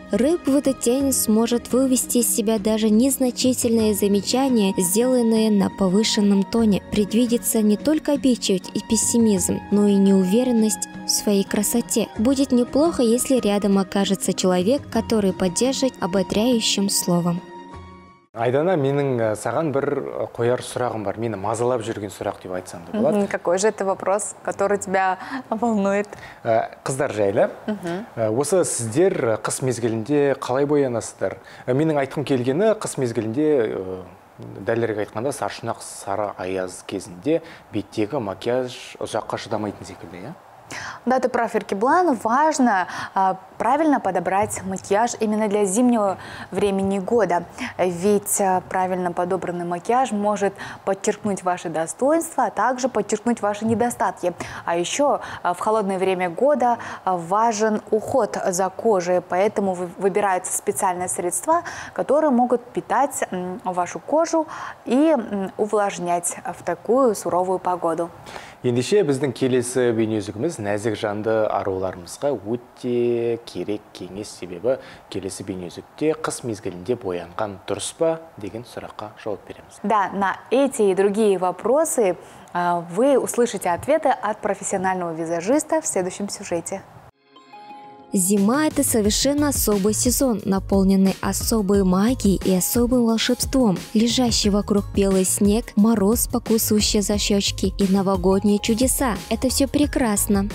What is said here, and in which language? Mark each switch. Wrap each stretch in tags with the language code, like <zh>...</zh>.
<ru>Рыб в этот день сможет вывести из себя даже незначительное замечание, сделанное на повышенном тоне. Предвидится не только обидчивость и пессимизм, но и неуверенность в своей красоте. Будет неплохо, если рядом окажется человек, который поддержит ободряющим словом.</ru> <kk>Айдана, менің саған бір қояр сұрағым бар. Мені мазалап жүрген сұрақ деп айтсам да болады.</kk> <ru>Какой же это вопрос, который тебя волнует?</ru> <kk>Қыздар жайлы. Осы сіздер қыс мезгілінде қалай боянасыздар? Менің айтқым келгені қыс мезгілінде, дәлірек айтқанда, саршұнақ сары аяз кезінде беттегі макияж ұзаққа шыдамайтын секілді, иә?</kk> <ru>Да, ты прав, Еркебулан, важно правильно подобрать макияж именно для зимнего времени года, ведь правильно подобранный макияж может подчеркнуть ваши достоинства, а также подчеркнуть ваши недостатки. А еще в холодное время года важен уход за кожей, поэтому выбираются специальные средства, которые могут питать вашу кожу и увлажнять в такую суровую погоду.</ru> <kk>Ендеше біздің келесі бейнеөзігіміз нәзік жанды аруларымызға өте керек кеңес, себебі келесі бейнеөзікте қыс мезгілінде боянған дұрыс па деген сұраққа жауап береміз.</kk> <ru>Да, на эти и другие вопросы вы услышите ответы от профессионального визажиста в следующем сюжете. Зима – это совершенно особый сезон, наполненный особой магией и особым волшебством. Лежащий вокруг белый снег, мороз, покусывающий за щечки и новогодние чудеса – это все прекрасно.</ru>